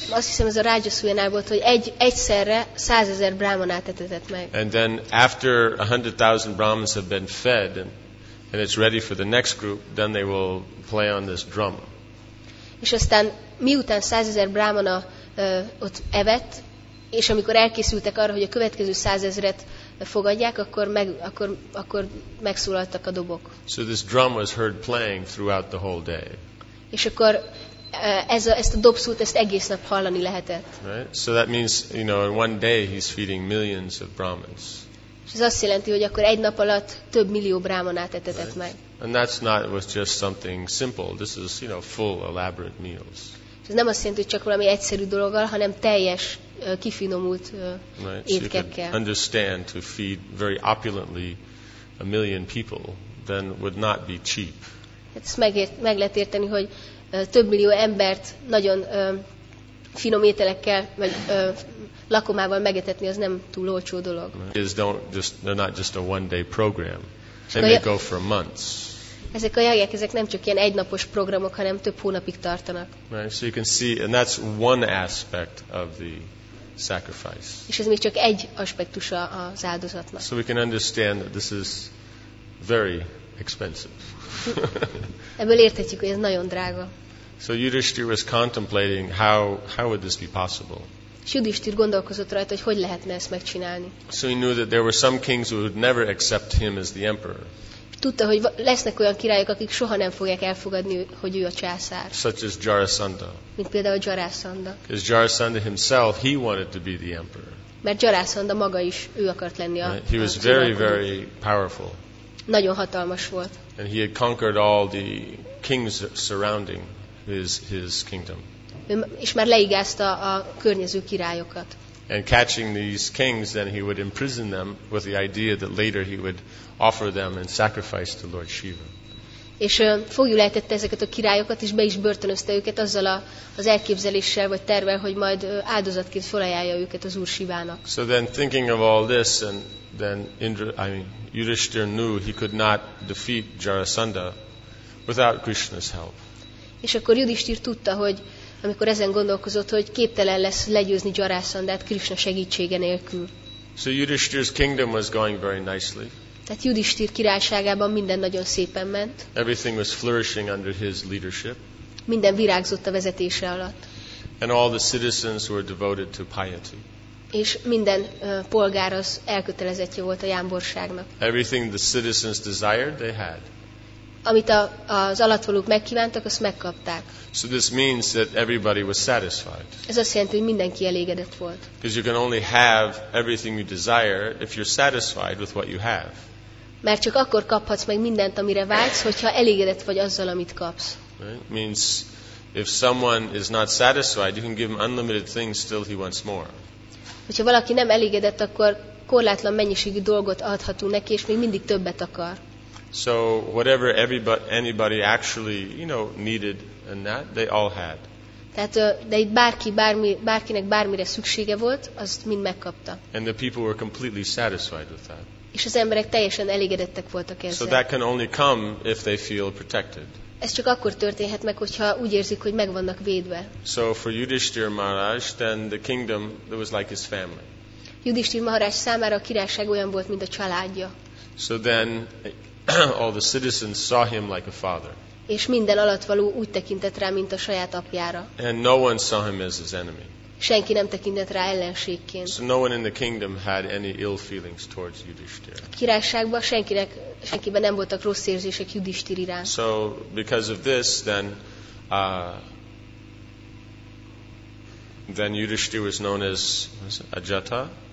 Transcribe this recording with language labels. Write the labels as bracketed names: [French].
[Hungarian] Azt hiszem, ez a Rajasuya-nál volt, hogy egyszerre 100,000 Brahmanát etetett meg. [English] And then after 100,000 Brahmins have been fed and it's ready for the next group, then they will play on this drum. [Hungarian] És aztán miután 100,000 Brahmana ott evett, és amikor elkészültek arra, hogy a következő 100,000-et fogadják, akkor meg, akkor megszólaltak a dobok. [English] So this drum was heard playing throughout the whole day. [Hungarian] És akkor ez a, ezt a dobszót ezt egész nap hallani lehetett. [English] Right? So that means, you know, in one day he's feeding millions of Brahmins. [Hungarian] És ez azt jelenti, hogy akkor egy nap alatt több millió Brahmanát etetett [English] right? [Hungarian] meg. [English] And that's not, it was just something simple. This is, you know, full elaborate meals. [Hungarian] És ez nem azt jelenti, hogy csak valami egyszerű dologgal, hanem teljes kifinomult étkekkel. [English] So understand to feed very opulently a million people, then would not be cheap. [Hungarian] Ez meg lehet érteni, hogy több millió embert nagyon finom ételekkel, meg lakomával megetetni, az nem túl olcsó dolog. [English] They're not just a one-day program. They may go for months. [Hungarian] Ezek a jajek, ezek nem csak ilyen egynapos programok, hanem több hónapig tartanak. [English] Right, so you can see, and that's one aspect of the sacrifice. [Hungarian] És ez még csak egy aspektusa az áldozatnak. [English] So we can understand that this is very expensive. [Hungarian] Ebből érthetjük, hogy ez nagyon drága. [English] So Yudhishthira was contemplating how would this be possible. [Hungarian] És Yudhishthira gondolkozott rajta, hogy hogy lehetne ezt megcsinálni. [English] So he knew that there were some kings who would never accept him as the emperor. [Hungarian] Tudta, hogy lesznek olyan királyok, akik soha nem fogják elfogadni, hogy ő a császár. [English] Such as Jarasandha. [Hungarian] Mint például Jarasandha. [English] Because Jarasandha himself, he wanted to be the emperor. [Hungarian] Mert Jarasandha maga is, ő akart lenni a [English] He was very, very powerful. [Hungarian] Nagyon hatalmas volt. [English] And he had conquered all the kings surrounding his kingdom. [Hungarian] És már leigázta a környező királyokat. [English] And catching these kings, then he would imprison them with the idea that later he would offer them in sacrifice to Lord Shiva. [Hungarian] És fogjul ejtette ezeket a királyokat, és be is börtönözte őket azzal az elképzeléssel vagy tervel, hogy majd áldozatként felajánlja őket az Úr Sivának. [English] So then thinking of all this, and then Yudhishthira knew he could not defeat Jarasandha without Krishna's help. [Hungarian] És akkor Yudhishthira tudta, hogy amikor ezen gondolkozott, hogy képtelen lesz legyőzni Jarasandhát Krishna segítsége nélkül. [English] So Yudhishthira's kingdom was going very nicely. [Hungarian] Tehát Yudhishthir királyságában minden nagyon szépen ment. [English] Everything was flourishing under his leadership. [Hungarian] Minden virágzott a vezetése alatt. [English] And all the citizens were devoted to piety. [Hungarian] És minden polgár az elkötelezettje volt a jámborságnak. [English] Everything the citizens desired, they had. [Hungarian] Amit az alattvalók megkívántak, azt megkapták. [English] So this means that everybody was satisfied. [Hungarian] Ez azt jelenti, hogy mindenki elégedett volt. [English] Because you can only have everything you desire if you're satisfied with what you have. [Hungarian] Mert csak akkor kaphatsz meg mindent, amire vágysz, hogyha elégedett vagy azzal, amit kapsz. [English] Right? Means if someone is not satisfied, you can give him unlimited things still he wants more. [Hungarian] Hogyha valaki nem elégedett, akkor korlátlan mennyiségű dolgot adhatunk neki, és még mindig többet akar. [English] So whatever anybody actually, you know, needed and that, they all had. [Hungarian] Tehát, de itt bárkinek bármire szüksége volt, azt mind megkapta. [English] And the people were completely satisfied with that. [Hungarian] És az emberek teljesen elégedettek voltak ezzel. [English] So that can only come if they feel protected. [Hungarian] Ez csak akkor történhet meg, hogyha úgy érzik, hogy meg vannak védve. [English] So for Yudhishthira Maharaj, then the kingdom that was like his family. [Hungarian] Yudhishthira Maharaj számára a királyság olyan volt, mint a családja. [English] So then all the citizens saw him like a father. [Hungarian] És minden alattvaló úgy tekintett rá, mint a saját apjára. [English] And no one saw him as his enemy. [Hungarian] senki nem tekintett rá ellenségként. [English] So no one in the kingdom had any ill feelings towards Yudhishthira. [Hungarian] A királyságban senkiben nem voltak rossz érzések Yudhishthira iránt. [English] So because of this, then Yudhishthira was known as Ajata.